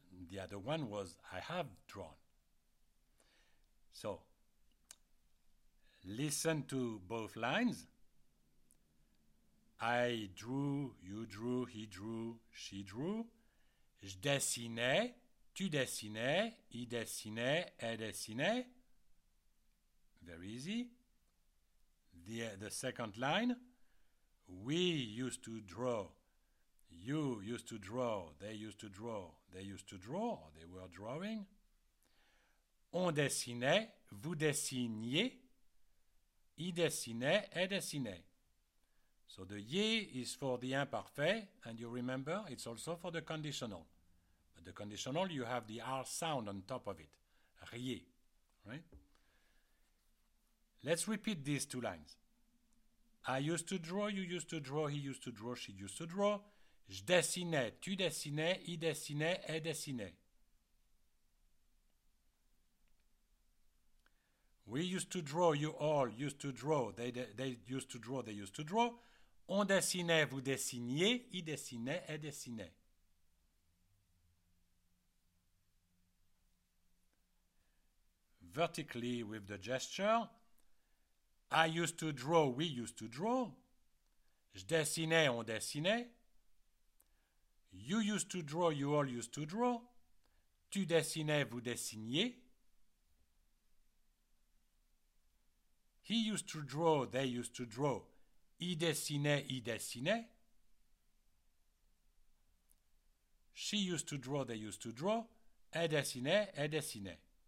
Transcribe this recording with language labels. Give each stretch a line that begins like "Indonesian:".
English: The other one was I have drawn. So listen to both lines. I drew, you drew, he drew, she drew.
French: Je dessinais, tu dessinais, il dessinait, elle dessinait.
English: Very easy. The second line. We used to draw. You used to draw. They used to draw. They used to draw. They were drawing.
French: On dessinait, vous dessiniez. Il dessinait, elle dessinait.
English: So the ye is for the imperfect, and you remember it's also for the conditional. But the conditional, you have the R sound on top of it. Riez, right? Let's repeat these two lines. I used to draw, you used to draw, he used to draw, she used to draw.
French: Je dessinais, tu dessinais, il dessinait, elle dessinait.
English: We used to draw, you all used to draw, they used to draw, they used to draw.
French: On dessinait, vous dessiniez, il dessinait, elle dessinait.
English: Vertically with the gesture. I used to draw, we used to draw.
French: Je dessinais, on dessinait.
English: You used to draw, you all used to draw.
French: Tu dessinais, vous dessiniez.
English: He used to draw, they used to draw.
French: Il dessinait, il dessinait.
English: She used to draw, they used to draw.
French: Elle dessinait, elle dessinait.